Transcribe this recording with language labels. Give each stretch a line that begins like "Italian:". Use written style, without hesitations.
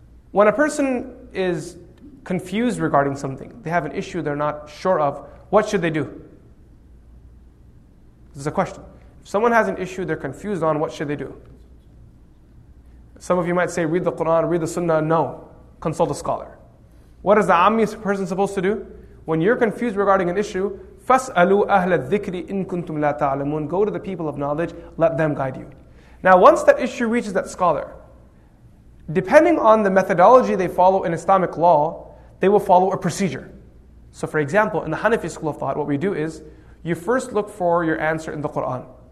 English: When a person is confused regarding something, they have an issue they're not sure of, what should they do? This is a question. If someone has an issue they're confused on, what should they do? Some of you might say, read the Quran, read the Sunnah. No, consult a scholar. What is the Ammi person supposed to do? When you're confused regarding an issue,
Arabic: فَاسْأَلُوا أَهْلَ الذِّكْرِ إِن كُنْتُمْ لَا تَعْلَمُونَ.
English: Go to the people of knowledge, let them guide you. Now once that issue reaches that scholar, depending on the methodology they follow in Islamic law, they will follow a procedure. So for example, in the Hanafi school of thought, what we do is, you first look for your answer in the Qur'an.